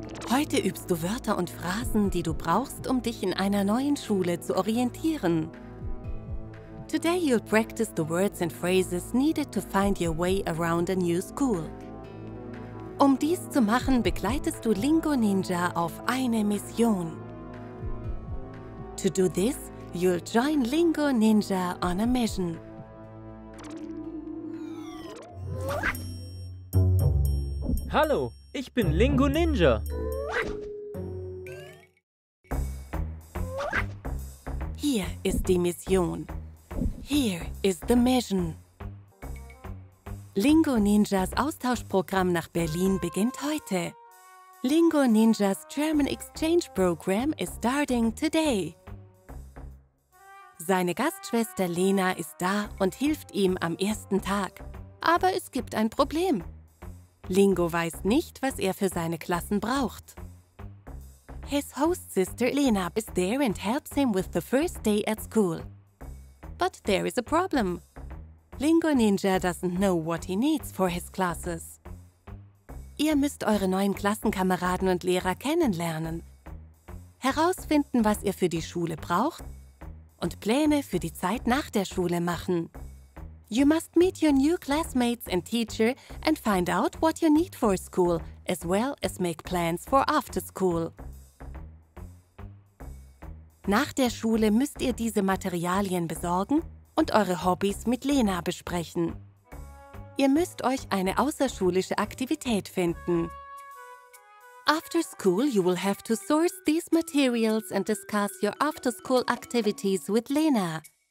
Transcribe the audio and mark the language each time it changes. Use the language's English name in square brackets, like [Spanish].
[German] Heute übst du Wörter und Phrasen, die du brauchst, um dich in einer neuen Schule zu orientieren. [English] Today you'll practice the words and phrases needed to find your way around a new school. [German] Um dies zu machen, begleitest du Lingo Ninja auf eine Mission. [English] To do this, you'll join Lingo Ninja on a mission. [German] Hallo, ich bin Lingo Ninja. Hier ist die Mission. [English] Here is the mission. [German] Lingo Ninjas Austauschprogramm nach Berlin beginnt heute. [English] Lingo Ninjas German Exchange Program is starting today. [German] Seine Gastschwester Lena ist da und hilft ihm am ersten Tag. Aber es gibt ein Problem. Lingo weiß nicht, was er für seine Klassen braucht. [English] His host sister Lena is there and helps him with the first day at school. But there is a problem. Lingo Ninja doesn't know what he needs for his classes. [German] Ihr müsst eure neuen Klassenkameraden und Lehrer kennenlernen. Herausfinden, was ihr für die Schule braucht und Pläne für die Zeit nach der Schule machen. [English] You must meet your new classmates and teacher and find out what you need for school, as well as make plans for after school. [German] Nach der Schule müsst ihr diese Materialien besorgen und eure Hobbys mit Lena besprechen. Ihr müsst euch eine außerschulische Aktivität finden. [English] After school, you will have to source these materials and discuss your after-school activities with Lena.